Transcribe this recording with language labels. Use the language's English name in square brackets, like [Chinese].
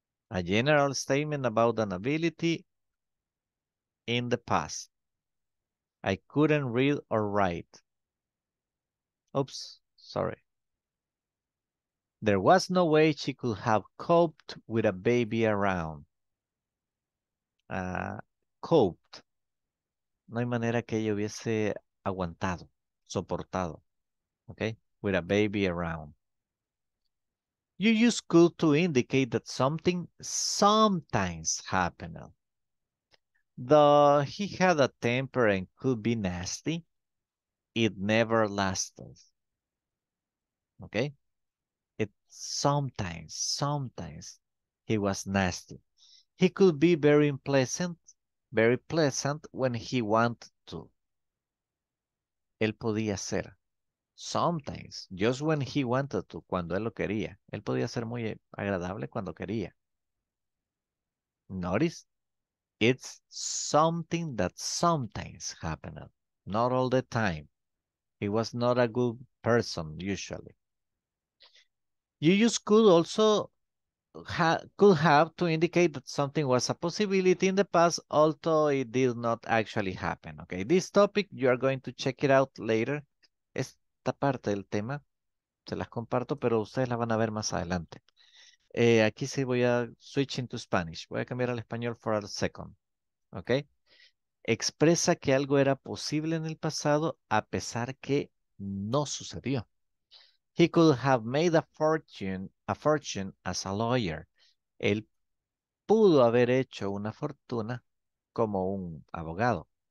[English] A general statement about an ability in the past. I couldn't read or write. Oops, sorry. There was no way she could have coped with a baby around. Coped. [Spanish] No hay manera que ella hubiese aguantado, soportado. [English] Okay? With a baby around. You use could to indicate that something sometimes happened. Though he had a temper and could be nasty, it never lasted. Okay, sometimes he was nasty. He could be very pleasant when he wanted to. [Spanish] Él podía ser, [English] sometimes, just when he wanted to, [Spanish] cuando él lo quería. Él podía ser muy agradable cuando quería. [English] Notice, it's something that sometimes happened, not all the time. He was not a good person usually. You use could also could have to indicate that something was a possibility in the past, although it did not actually happen. Okay, this topic, you are going to check it out later. [Spanish] Esta parte del tema, se las comparto, pero ustedes la van a ver más adelante. Aquí sí voy a [English] switch into Spanish. [Spanish] Voy a cambiar al español [English] for a second. Okay. [Spanish] Expresa que algo era posible en el pasado a pesar que no sucedió. [English] He could have made a fortune as a lawyer. [Spanish] Él pudo haber hecho una fortuna como un abogado.